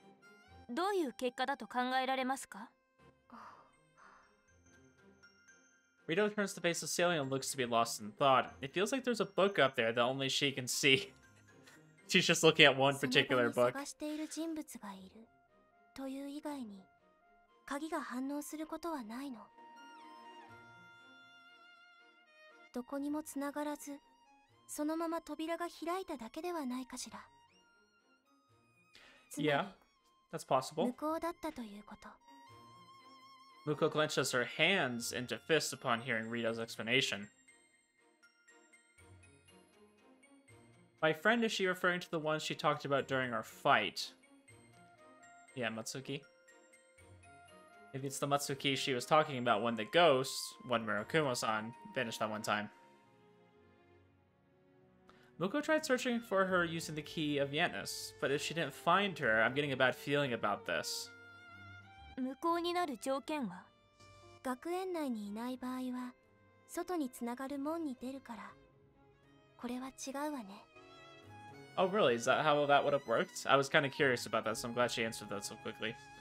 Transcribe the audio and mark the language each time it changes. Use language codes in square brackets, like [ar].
[ja] その3人は誰も探している人物ではありませんでした。どういう結果だと考えられますか? [en] Rito turns to face the ceiling and looks to be lost in thought. It feels like there's a book up there that only she can see. She's just looking at one particular book. [ja] その場に探している人物がいるという以外に鍵が反応することはないの。どこにもつながらず、そのまま扉が開いただけではないかしら? [en] Yeah, that's possible. [ja] 向こうだったということ。 [en] Muko clenches her hands into fists upon hearing Rito's explanation. By friend, is she referring to the one she talked about during our fight? Yeah, Matsuki. Maybe it's the Matsuki she was talking about when the ghost, when Murakumo-san, vanished that one time. Muko tried searching for her using the key of Yannis, but if she didn't find her, I'm getting a bad feeling about this. [ja] 向こうになる条件は学園内にいない場合は外につながる門に出るからこれは違うわね。Oh [en] really, is that how that would have worked? I was kind of curious about that, so I'm glad she answered that so quickly.